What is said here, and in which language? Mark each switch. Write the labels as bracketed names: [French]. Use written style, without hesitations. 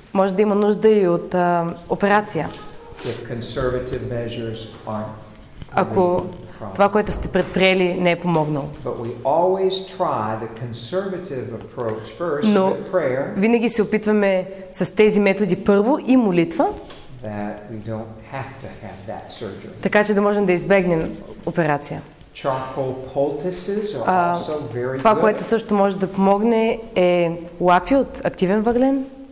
[Bulgarian] Може да има нужда и от операция. [English] If conservative measures aren't, [Bulgarian] ако това, което сте предприели, не е помогнало. [English] But we always try the conservative approach first. [Bulgarian] Но [English] with prayer, [Bulgarian] винаги се опитваме с тези методи първо и молитва, [English] that we don't have to have that surgery. [Bulgarian] Така че да можем да избегнем операция. [English] Charcoal poultices are also very good. [Bulgarian] Това, което също може да помогне, е лапи от активен въглен.